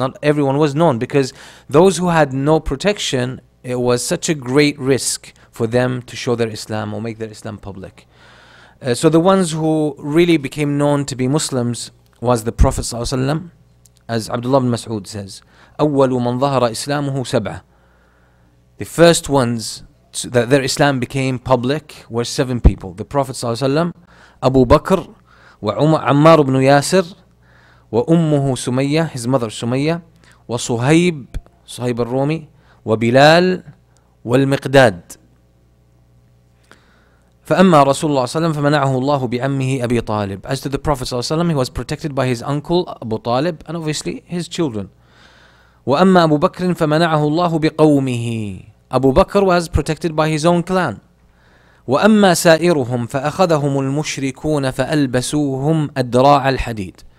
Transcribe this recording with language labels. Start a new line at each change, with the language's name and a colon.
English: Not everyone was known, because those who had no protection, it was such a great risk for them to show their Islam or make their Islam public. So the ones who really became known to be Muslims was the Prophet ﷺ, as Abdullah ibn Mas'ud says,
Arabic: أَوَّلُ مَنْ ظَهَرَ إِسْلَامُهُ سَبْعَ.
English: The first ones that their Islam became public were seven people.
Arabic: The Prophet ﷺ, Abu Bakr, وعمار بن ياسر, وأمه سمية,
English: his mother
Arabic: سمية, وصهيب, صهيب الرومي, وبلال, والمقداد. فَأَمَّا رَسُولُ اللَّهِ صَلَّى اللَّهُ عَلَيْهِ وَسَلَّمَ فَمَنَعَهُ اللَّهُ بِعَمِّهِ أَبِي طَالِبٍ.
English: As to the Prophet
Arabic: صلى الله عليه وسلم,
English: he was protected by his uncle Abu Talib and obviously his children.
Arabic: وَأَمَّا أَبُو بَكْرٍ فَمَنَعَهُ اللَّهُ بِقَوْمِهِ.
English: Abu Bakr was protected by his own clan.
Arabic: وَأَمَّا سَائِرُهُمْ فَأَخَذَهُمُ الْمُشْرِكُونَ فَأَلْبَسُوهُمْ أَدْرَاعَ الْحَدِيدِ.